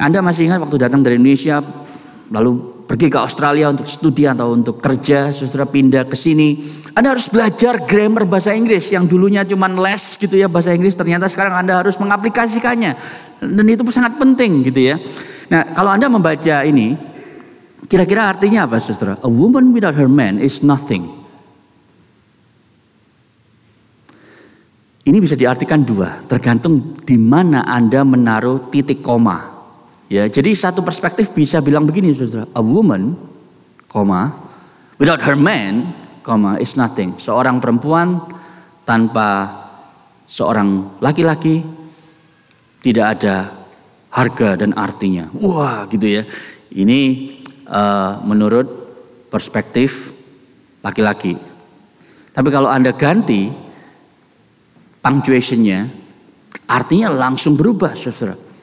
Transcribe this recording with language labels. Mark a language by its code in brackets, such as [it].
[id] Anda masih ingat waktu datang dari Indonesia, lalu pergi ke Australia untuk studi atau untuk kerja, saudara pindah ke sini. Anda harus belajar grammar bahasa Inggris yang dulunya cuma les gitu ya bahasa Inggris. Ternyata sekarang Anda harus mengaplikasikannya. Dan itu sangat penting gitu ya. Nah, kalau Anda membaca ini, kira-kira artinya apa, saudara? [en] A woman without her man is nothing. [id] Ini bisa diartikan dua, tergantung di mana Anda menaruh titik koma. Ya, jadi satu perspektif bisa bilang begini, saudara. [en] A woman, comma, without her man, comma, is nothing. [id] Seorang perempuan tanpa seorang laki-laki tidak ada harga dan artinya. Wah, gitu ya. Ini menurut perspektif laki-laki. Tapi kalau Anda ganti punctuation-nya, artinya langsung berubah, saudara.